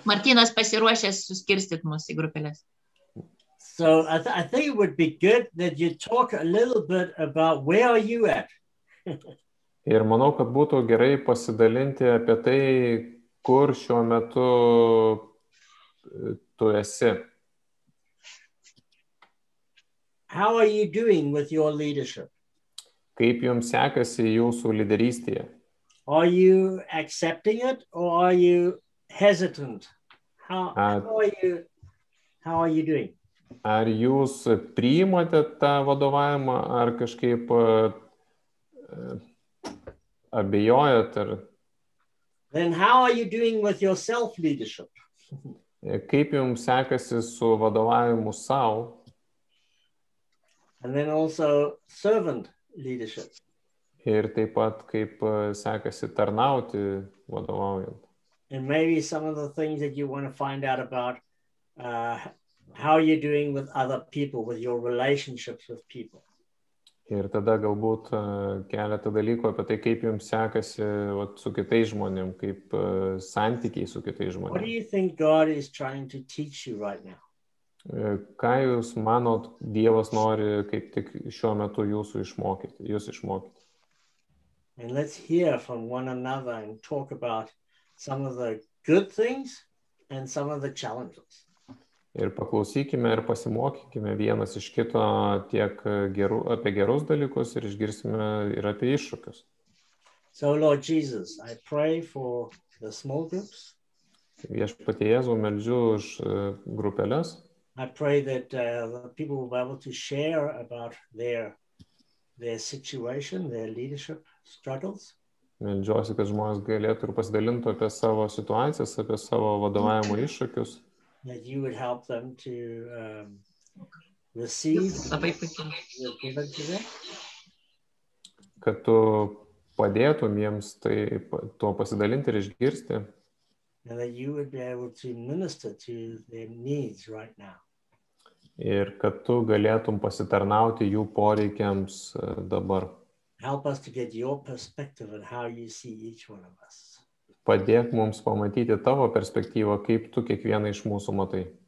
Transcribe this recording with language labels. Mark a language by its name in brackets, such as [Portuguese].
[Lithuanian] Martynas pasiruošęs suskirstyt mus į grupeles. [English] So I think it would be good that you talk a little bit about where are you at? [Lithuanian] Ir manau, kad būtų gerai pasidalinti apie tai, kur šiuo metu tu esi. [English] How are you doing with your leadership? [Lithuanian] Kaip jums sekasi jūsų lyderystėje? [English] Are you accepting it or are you hesitant? How are you doing? [Lithuanian] Ar jūs priimate tą vadovavimą, ar kažkaip abejojat? Ar... [English] Then how are you doing with your self-leadership? [Lithuanian] Kaip jums sekasi su vadovavimu sau? [English] And then also servant leadership. [Lithuanian] Ir taip pat kaip sekasi tarnauti vadovaujant. [English] And maybe some of the things that you want to find out about... How are you doing with other people, with your relationships with people? [Lithuanian] Ir tada galbūt keletą dalykų apie tai, kaip jums sekasi su kitais žmonėm, kaip santykiai su kitais žmonėm. [English] What do you think God is trying to teach you right now? [Lithuanian] Ką jūs manot, Dievas nori kaip tik šiuo metu jūsų išmokyti, jūs išmokyti? [English] And let's hear from one another and talk about some of the good things and some of the challenges. [Lithuanian] Ir paklausykime ir pasimokykime vienas iš kito tiek gerų, apie gerus dalykus ir išgirsime ir apie iššūkius. [English] So, Lord Jesus, I pray for the small groups. [Lithuanian] Viešpatie Jėzau, meldžiu už grupeles. [English] I pray that the people will be able to share about their situation, their leadership struggles. [Lithuanian] Meldžiuosi, kad žmonės galėtų ir pasidalinti apie savo situacijas, apie savo vadovavimo iššūkius. [English] That you would help them to receive [Lithuanian] labai puikiai. [English] Your given to them. [Lithuanian] Kad tu padėtum jiems tai, to pasidalinti ir išgirsti. [English] And that you would be able to minister to their needs right now. [Lithuanian] Ir kad tu galėtum pasitarnauti jų poreikiams dabar. [English] Help us to get your perspective on how you see each one of us. [Lithuanian] Padėk mums pamatyti tavo perspektyvą, kaip tu kiekvieną iš mūsų matai.